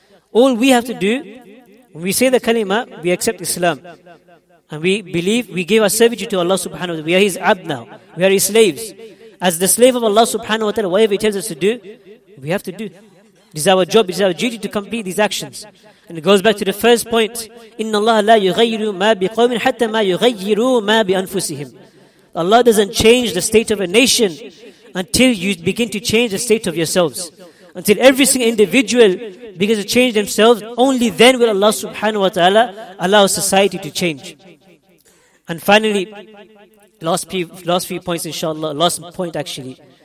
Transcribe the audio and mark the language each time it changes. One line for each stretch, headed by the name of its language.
English: All we have to do, when we say the kalima, we accept Islam. And we believe, we give our servitude to Allah subhanahu wa ta'ala. We are His abd now. We are His slaves. As the slave of Allah subhanahu wa ta'ala, whatever He tells us to do, we have to do. This is our job, it is our duty to complete these actions. And it goes back to the first point,
Arabic: إِنَّ اللَّهَ لَا يُغَيِّرُ مَا بِقَوْمٍ حَتَّى مَا يُغَيِّرُوا مَا بِأَنفُسِهِمْ.
English: Allah doesn't change the state of a nation until you begin to change the state of yourselves. Until every single individual begins to change themselves, only then will Allah subhanahu wa ta'ala allow society to change. And finally, last few points inshallah, last point actually.